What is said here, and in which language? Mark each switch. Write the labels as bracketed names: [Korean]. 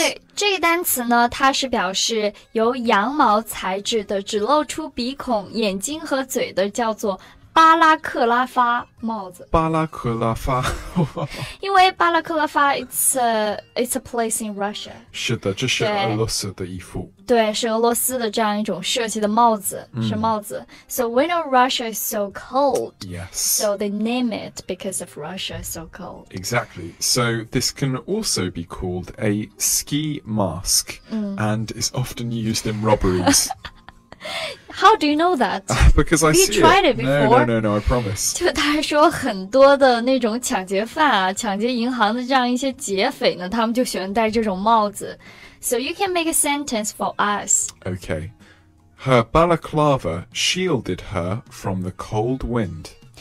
[Chinese] 对，这个单词呢，它是表示由羊毛材质的，只露出鼻孔、眼睛和嘴的，叫做巴拉克拉发帽子。巴拉克拉发。因为巴拉克拉发 [English] it's a place in Russia. [Chinese] 是的，这是俄罗斯的衣服。对，是俄罗斯的这样一种设计的帽子，是帽子。 [English] So when Russia is so cold, yes. So they name it because of Russia is so cold. Exactly. So this can also be called a ski mask, and is often used in robberies. How do you know that? Because I see it. Have you tried it before? No, I promise. [Chinese] 就他说很多的那种抢劫犯啊，抢劫银行的这样一些劫匪呢，他们就喜欢戴这种帽子。 [English] So you can make a sentence for us. Okay. Her balaclava shielded her from the cold wind.